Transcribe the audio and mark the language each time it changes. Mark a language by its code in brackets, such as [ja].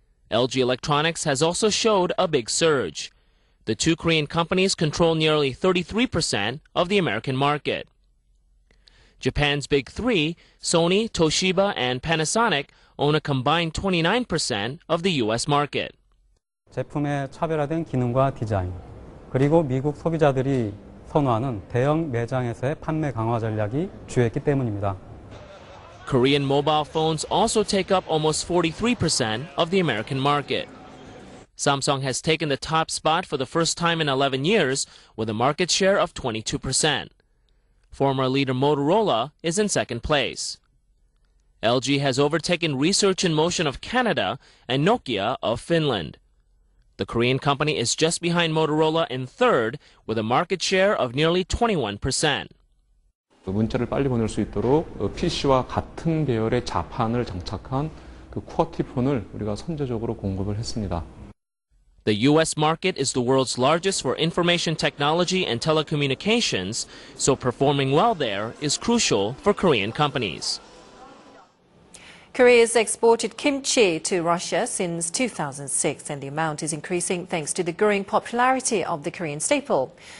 [en] LG Electronics has also showed a big surge. The two Korean companies control nearly 33% of the American market. Japan's big three, Sony, Toshiba, and Panasonic, own a combined 29% of the U.S. market. [ko] 제품의 차별화된 기능과 디자인, 그리고 미국 소비자들이 선호하는 대형 매장에서의 판매 강화 전략이 주였기 때문입니다. [en] Korean mobile phones also take up almost 43% of the American market. Samsung has taken the top spot for the first time in 11 years with a market share of 22%. Former leader Motorola is in second place. LG has overtaken Research in Motion of Canada and Nokia of Finland. The Korean company is just behind Motorola in third with a market share of nearly 21%. [ko] 문자를 빨리 보낼 수 있도록 PC와 같은 계열의 자판을 장착한 그 QWERTY폰을 우리가 선제적으로 공급을 했습니다. [en] The U.S. market is the world's largest for information technology and telecommunications, so performing well there is crucial for Korean companies. Korea's exported kimchi to Russia since 2006, and the amount is increasing thanks to the growing popularity of the Korean staple.